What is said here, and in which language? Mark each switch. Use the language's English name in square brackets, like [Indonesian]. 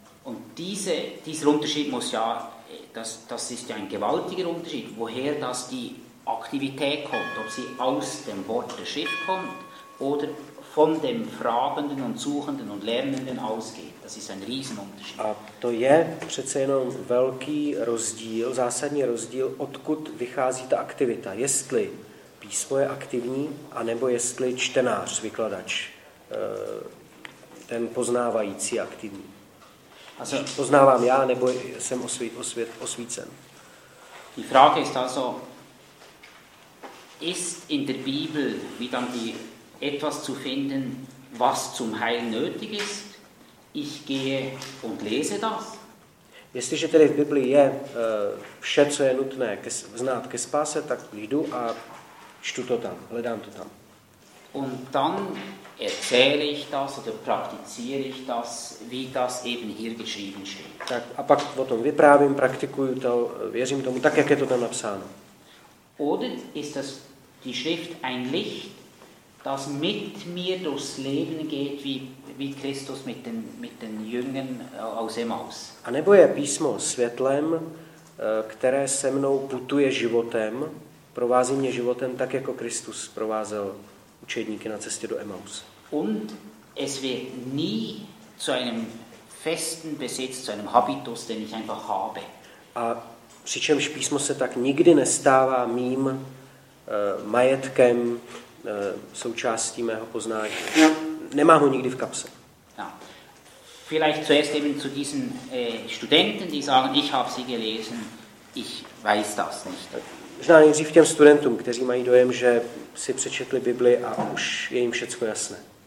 [German] Und dieser Unterschied muss ja, das ist ja ein gewaltiger Unterschied, woher das die Aktivität kommt, ob sie aus dem Wort der Schrift kommt oder von dem Fragenden und Suchenden und Lernenden ausgeht. Das ist ein Riesenunterschied. [Czech] A to je přece jenom velký rozdíl, zásadní rozdíl, odkud vychází ta aktivita. Jestli písmo je aktivní, anebo jestli čtenář, vykladač, ten poznávající aktivní. Poznávám já, nebo jsem osvícen. [German] Die Frage ist also, ist in der Bibel wieder etwas zu finden, was zum Heil nötig ist? Ich gehe und lese das. [Czech] Jestliže tedy v Bibli je vše, co je nutné znát ke spáse, tak jdu a čtu to tam, hledám to tam. [German] Und dann erzähle ich das oder praktiziere ich das, wie das eben hier geschrieben steht. [Czech] Tak a pak o tom vyprávím, praktikuju to, věřím tomu, tak jak je to tam napsáno. [German] Oder ist das die Schrift ein Licht, das mit mir durchs Leben geht, wie Christus mit den Jüngern aus Emmaus? [Czech] A nebo je písmo světlem, které se mnou putuje životem, provází mě životem, tak jako Kristus provázel učedníky na cestě do Emmaus. [German] Und es wird nie zu einem festen Besitz, zu einem Habitus, den ich einfach habe. [Czech] A přičemž písmo se tak nikdy nestává mým majetkem, součástí mého poznání. No. Nemá ho nikdy v kapse. No. [German] Vielleicht zuerst eben zu diesen Studenten, die sagen, ich habe sie gelesen, ich weiß das nicht. [Czech] Možná nejdřív těm studentům, kteří mají dojem, že si přečetli Bibli a už je jim všecko jasné.